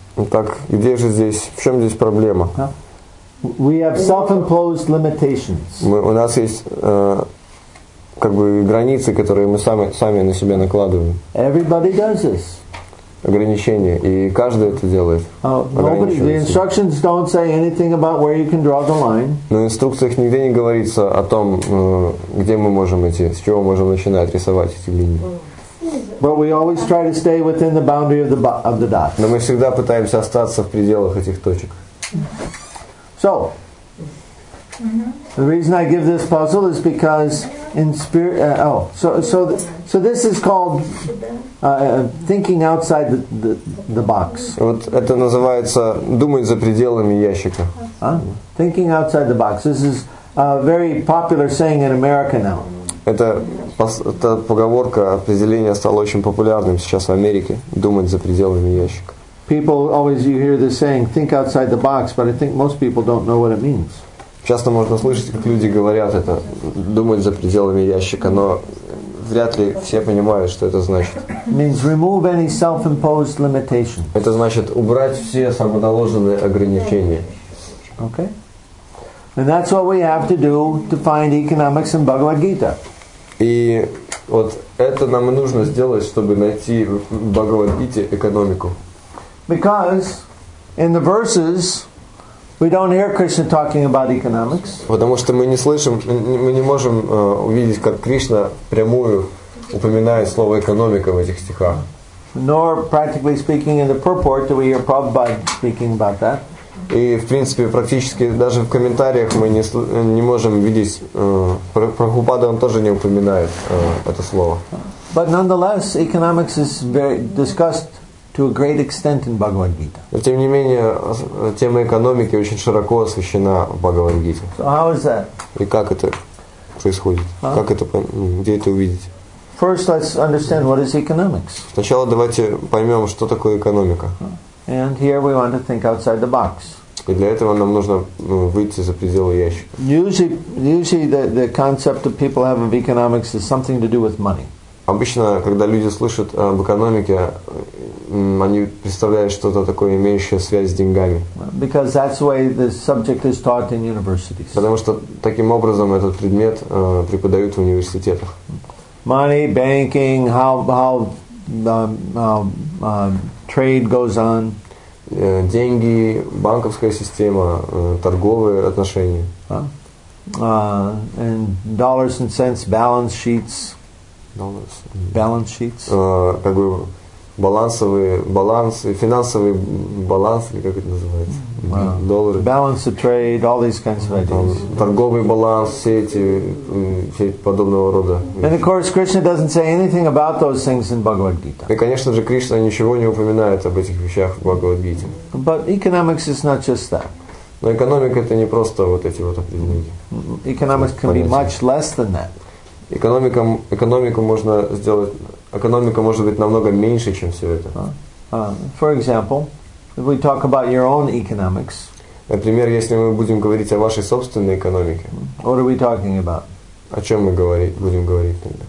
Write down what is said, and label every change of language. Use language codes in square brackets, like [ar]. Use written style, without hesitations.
[ru] Так, где же здесь, в чем здесь проблема? [en] We have self-imposed limitations. [ru] У нас есть как бы границы, которые мы сами на себя накладываем. [en] Everybody does this. [ru] Ограничения. И каждый это делает. [en] The instructions don't say anything about where you can draw the line. [ru] Но в инструкциях нигде не говорится о том, где мы можем идти, с чего можем начинать рисовать эти линии. [en] But we always try to stay within the boundary of the dots. [ru] Но мы всегда пытаемся остаться в пределах этих точек. [en] So, the reason I give this puzzle is because in spirit. So this is called thinking outside the box. [ru] Вот это называется думать за пределами ящика. [en] Thinking outside the box. This is a very popular saying in America now. [ru] Это поговорка, определение стало очень популярным сейчас в Америке. Думать за пределами ящика. [en] People always you hear this saying, think outside the box, but I think most people don't know what it means. [ru] Часто можно слышать, как люди говорят это, думать за пределами ящика, но вряд ли все понимают, что это значит. [en] Means remove any self-imposed limitation. [ru] Это значит убрать все самоналоженные ограничения. [en] Okay. And that's what we have to do to find economics in Bhagavad Gita. [ru] И вот это нам нужно сделать, чтобы найти в Бхагавад Гите экономику. [en] Because in the verses we don't hear Krishna talking about economics. [ru] Потому что мы не слышим, мы не можем увидеть, как Кришна прямую упоминает слово экономика в этих стихах. [en] Nor practically speaking in the purport do we hear Prabhupada speaking about that. [ru] И, в принципе, практически даже в комментариях мы не можем видеть, Прабхупада он тоже не упоминает это слово. [en] But nonetheless, economics is very discussed to a great extent in Bhagavad Gita. [ru] Но, тем не менее, тема экономики очень широко освещена в Бхагавад Гите. [en] So how is that? [ru] И как это происходит? Huh? Как это, где это увидеть? [en] First, let's understand what is economics. [ru] Сначала давайте поймем, что такое экономика. [en] And here we want to think outside the box. [ru] И для этого нам нужно выйти за пределы ящика. [en] Usually the concept that people have of economics is something to do with money. [ru] Обычно, когда люди слышат об экономике, они представляют что-то такое, имеющее связь с деньгами. [en] Because that's the way the subject is taught in universities. [ru] Потому что таким образом этот предмет преподают в университетах. [en] Money, banking, trade goes on. [ru] Деньги, банковская система, торговые отношения. [en] And dollars and cents, balance sheets. Dollars. Balance sheets. [ru] Как бы финансовый баланс, или как это называется? Доллары. [en] Balance of trade, all these kinds of ideas. [ru] Торговый баланс, все подобного рода. [en] And of course, Krishna doesn't say anything about those things in Bhagavad Gita. [ru] И, конечно же, Кришна ничего не упоминает об этих вещах в Бхагавад Гите. [en] But economics is not just that. [ru] Но экономика это не просто вот эти вот определения. [en] Economics can be much less than that. [ru] Экономика может быть намного меньше, чем все это. [en] For example, if we talk about your own economics. [ru] Например, если мы будем говорить о вашей собственной экономике. [en] What are we talking about? [ru] О чем мы будем говорить тогда?